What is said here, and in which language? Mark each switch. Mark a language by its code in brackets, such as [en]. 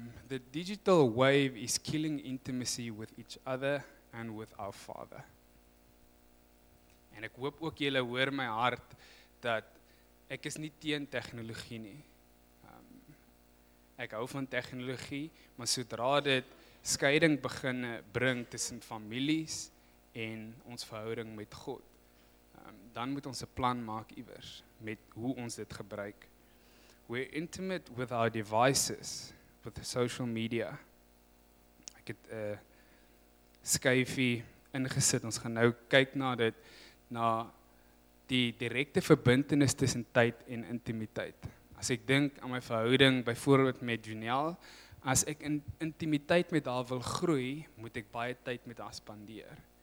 [en] The digital wave is killing intimacy with each other and with our Father. [af] En ek hoop ook jy hoor my hart dat ek is nie teen tegnologie nie. Ek hou van tegnologie, maar sodra dit skeiding begin bring tussen families en ons verhouding met God, dan moet ons 'n plan maak iewers met hoe ons dit gebruik. [en] We're intimate with our devices, with social media. [af] Ek het 'n skyfie ingesit, ons gaan nou kyk na dit, na die direkte verbintenis tussen tyd en intimiteit. As ek dink aan my verhouding byvoorbeeld met Janelle, as ek in intimiteit met haar wil groei, moet ek baie tyd met haar spandeer.